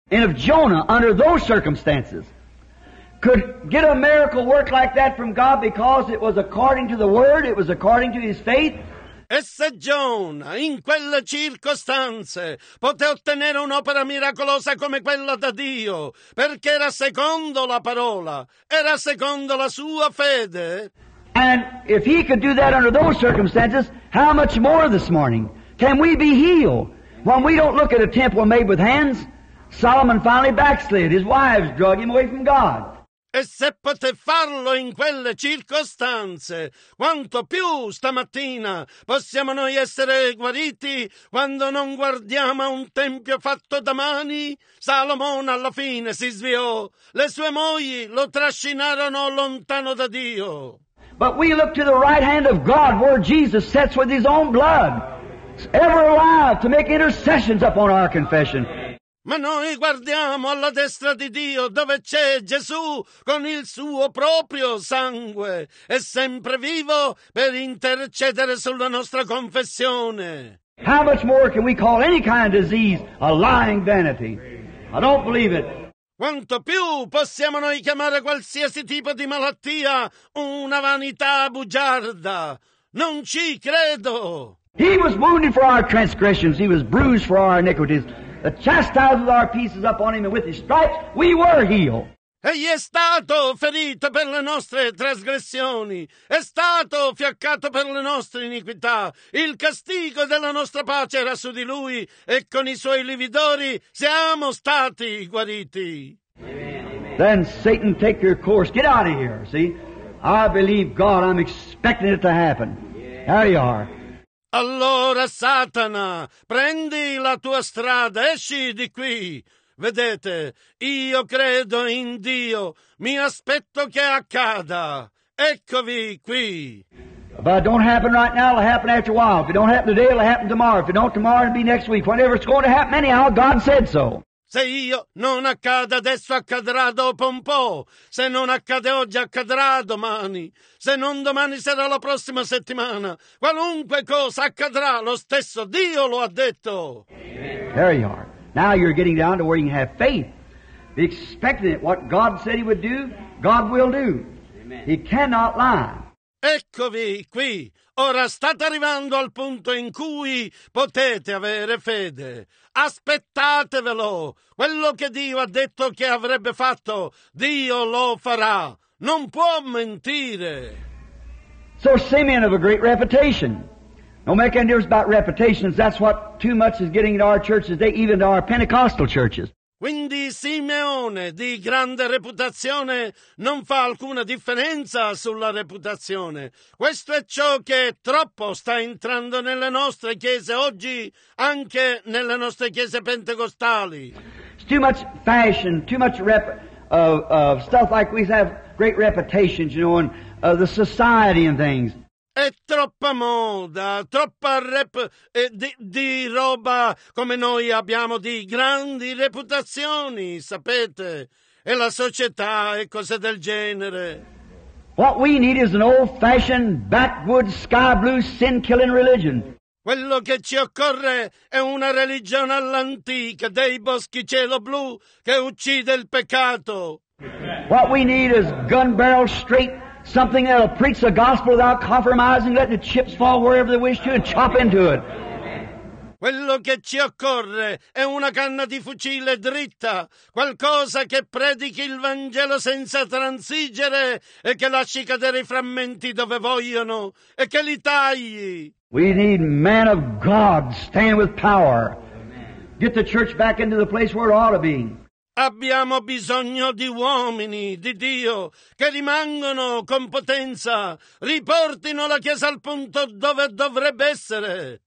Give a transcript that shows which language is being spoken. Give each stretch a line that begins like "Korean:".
English: And if Jonah, under those circumstances, could get a miracle work like that from God because it was according to the word, it was according to his faith.
Italian: E se Giona, in quelle circostanze, poté ottenere un'opera miracolosa come quella da Dio, perché era secondo la parola, era secondo la sua fede.
English: And if he could do that under those circumstances, how much more this morning can we be healed? When we don't look at a temple made with hands, Solomon finally backslid. His wives drug him away from God.
Italian: E se poté farlo in quelle circostanze, quanto più stamattina possiamo noi essere guariti quando non guardiamo a un tempio fatto da mani? Salomone alla fine si sviò. Le sue mogli lo trascinarono lontano da Dio.
English: But we look to the right hand of God where Jesus sits with his own blood, ever alive to make intercessions upon our confession.
Italian: Ma noi guardiamo alla destra di Dio dove c'è Gesù con il suo proprio sangue e sempre vivo per intercedere sulla nostra confessione.
English: How much more can we call any kind of disease a lying vanity? I don't believe it.
Italian: Quanto più possiamo noi chiamare qualsiasi tipo di malattia una vanità bugiarda? Non ci credo.
English: He was wounded for our transgressions, he was bruised for our iniquities. The chastisement of our peace is upon him, and with his stripes we were healed.
Italian: Egli è stato ferito per le nostre trasgressioni, è stato fiaccato per le nostre iniquità. Il castigo della nostra pace era su di lui, e con i suoi lividori siamo stati guariti.
English: Amen. Then Satan, take your course. Get out of here. See, I believe God. I'm expecting it to happen. There you are.
Italian: Allora, Satana, prendi la tua strada, esci di qui. Vedete, io credo in Dio, mi aspetto che accada. Eccovi qui.
English: But it don't happen right now, it'll happen after a while. If it don't happen today, it'll happen tomorrow. If it don't tomorrow, it'll be next week. Whenever it's going to happen, anyhow, God said so.
Italian: Se io non accada adesso, accadrà dopo un po'. Se non accade oggi, accadrà domani. Se non domani, sarà la prossima settimana. Qualunque cosa accadrà, lo stesso Dio lo ha detto.
English: There you are. Now you're getting down to where you have faith. Be expecting it. What God said he would do, God will do. Amen. He cannot lie.
Italian: Eccovi qui. Ora state arrivando al punto in cui potete avere fede. Aspettatevelo. Quello che Dio ha detto che avrebbe fatto, Dio lo farà. Non può mentire.
English: So Simeon of a great reputation. Don't make any difference about reputations. That's what too much is getting into our churches, even to our Pentecostal churches.
Italian: Quindi Simeone, di grande reputazione, non fa alcuna differenza sulla reputazione. Questo è ciò che troppo sta entrando nelle nostre chiese oggi, anche nelle nostre chiese pentecostali.
English: It's too much fashion, too much stuff like we have great reputations, you know, and the society and things.
Italian: È troppa moda, troppa di roba come noi abbiamo di grandi reputazioni, sapete? E la società e cose del genere.
English: What we need is an old-fashioned, backwoods, sky-blue, sin-killing religion.
Italian: Quello che ci occorre è una religione all'antica dei boschi cielo blu che uccide il peccato.
English: What we need is gun barrel straight, something that'll preach the gospel without compromising, let the chips fall wherever they wish to and chop into it.
Italian: Quello che ci occorre è una canna di fucile dritta, qualcosa che predichi il Vangelo senza transigere e che lasci cadere i frammenti dove vogliono e che li tagli.
English: We need men of God stand with power. Get the church back into the place where it ought to be.
Italian: Abbiamo bisogno di uomini di Dio che rimangano con potenza, riportino la Chiesa al punto dove dovrebbe essere.